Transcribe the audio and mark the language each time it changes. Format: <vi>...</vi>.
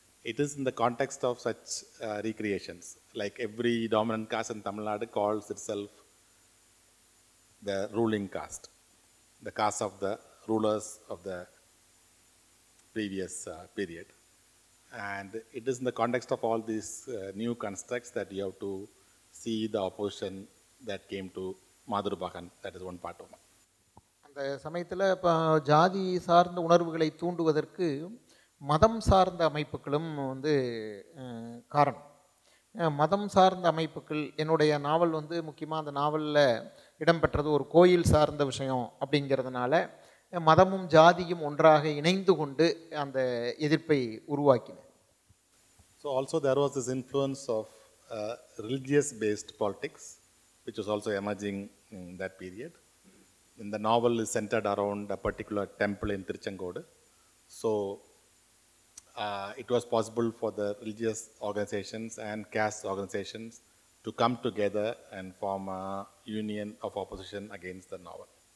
<en>It is in the context of such recreations, like every dominant caste in Tamil Nadu calls itself the ruling caste, the caste of the rulers of the previous period, and it is in the context of all these new constructs that you have to see the opposition that came to Madhurbhagan. That is one part of it.</en> <ta>அந்த சமயத்தில் இப்போ ஜாதி சார்ந்த உணர்வுகளை தூண்டுவதற்கு மதம் சார்ந்த அமைப்புகளும் வந்து காரணம். மதம் சார்ந்த அமைப்புகள், என்னுடைய நாவல் வந்து முக்கியமாக அந்த நாவலில் இடம்பெற்றது ஒரு கோயில் சார்ந்த விஷயம் அப்படிங்கிறதுனால மதமும் ஜாதியும் ஒன்றாக இணைந்து கொண்டு அந்த எதிர்ப்பை உருவாக்கின.</ta> <en>So also there was this influence of religious-based politics, which was also emerging in that period. And the novel is centered around a particular temple in Tiruchengode. So it was possible for the religious organizations and caste organizations to come together and form a union of opposition against the novel.</en>